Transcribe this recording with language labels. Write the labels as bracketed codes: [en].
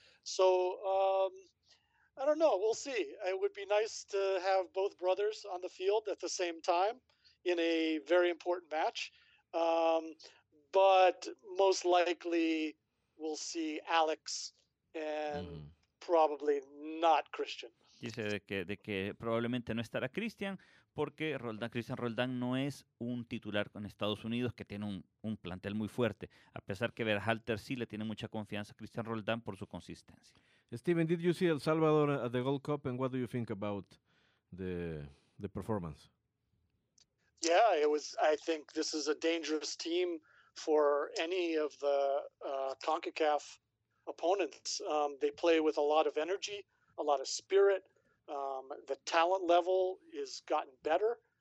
[en] So I don't know. We'll see. It would be nice to have both brothers on the field at the same time in a very important match. But most likely we'll see Alex and probably not Christian. [es] Dice de que probablemente no estará Christian porque Christian Roldán no es un titular con Estados Unidos que tiene un plantel muy fuerte, a pesar que Berhalter sí le tiene mucha confianza a Christian Roldán por su consistencia. [en] Steven, did you see El Salvador at the Gold Cup and what do you think about the performance? Yeah, it was. I think this is a dangerous team for any of the CONCACAF opponents. They play with a lot of energy, a lot of spirit. The talent level is getting better.